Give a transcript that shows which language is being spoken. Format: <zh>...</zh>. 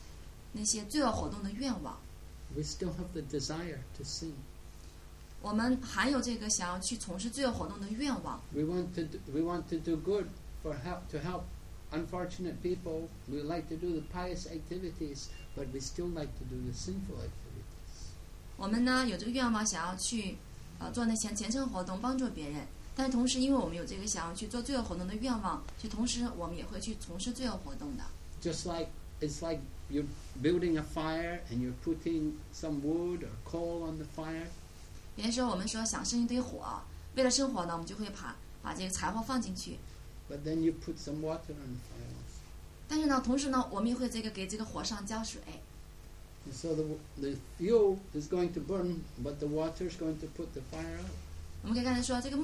<zh>当我们愿意做这些虔诚活动的时候，我们心里面还是没有放弃掉我们想要做那些罪恶活动的愿望。</zh> <en>We still have the desire to sin.</en> <zh>我们还有这个想要去从事罪恶活动的愿望。</zh> <en>We want to do good for help unfortunate people. We like to do the pious activities, but we still like to do the sinful activities.</en> <zh>我们呢有这个愿望，想要去做那些虔诚活动，帮助别人。但同时因为我们有这个想要去做罪恶活动的愿望，就同时我们也会去从事罪恶活动的。</zh> <en>Just like it's like you're building a fire and you're putting some wood or coal on the fire.</en> <zh>别人说我们说想生一堆火，为了生火呢，我们就会把这个柴火放进去。</zh> <en>But then you put some water on the fire also.</en> <zh>但是呢，同时呢，我们也会给这个火上浇水。</zh> <en>So the fuel is going to burn, but the water is going to put the fire out.</en>